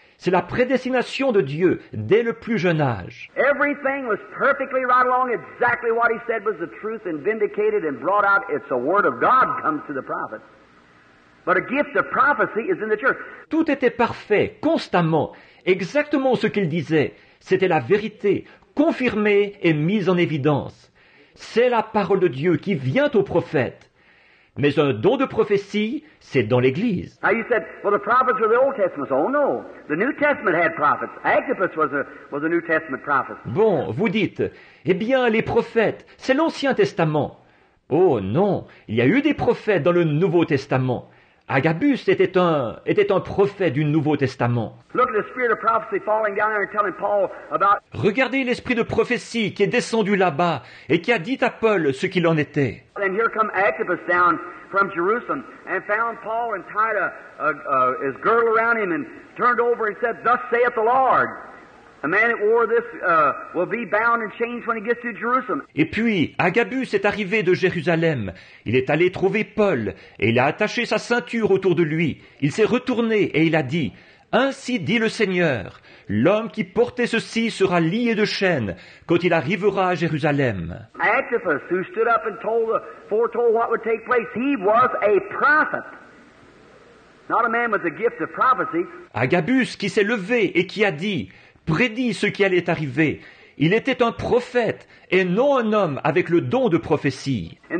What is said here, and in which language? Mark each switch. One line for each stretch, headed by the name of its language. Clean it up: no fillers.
French: C'est la prédestination de Dieu dès le plus jeune âge.
English: Everything was perfectly right along, exactly what he said was the truth and vindicated and brought out. It's a word of God comes to the prophet. But a gift of prophecy is in the church.
French: Tout était parfait, constamment, exactement ce qu'il disait. C'était la vérité, confirmée et mise en évidence. C'est la parole de Dieu qui vient au prophète. Mais un don de prophétie, c'est dans l'Église.
English: Now you said, well, the prophets were the Old Testament. Oh no, the New Testament had prophets. Agabus was a New Testament prophet.
French: Bon, vous dites, eh bien, les prophètes, c'est l'Ancien Testament. Oh non, il y a eu des prophètes dans le Nouveau Testament. Agabus était un prophète du Nouveau Testament.
English: Look at the spirit of prophecy falling down there and telling Paul about.
French: Regardez l'esprit de prophétie qui est descendu là-bas et qui a dit à Paul ce qu'il en était.
English: And here come Agabus down from Jerusalem and found Paul and tied his girdle around him and turned over and said, "Thus saith the Lord, a man that wore this will be bound and chained when he gets to Jerusalem."
French: Et puis, Agabus est arrivé de Jérusalem. Il est allé trouver Paul et il a attaché sa ceinture autour de lui. Il s'est retourné et il a dit, « Ainsi dit le Seigneur, l'homme qui portait ceci sera lié de chaînes quand il arrivera à Jérusalem. »
English: Agabus, who stood up and foretold what would take place, he was a prophet. Not a man with the gift of prophecy.
French: Agabus qui s'est levé et qui a dit, prédit ce qui allait arriver. Il était un prophète et non un homme avec le don de prophétie.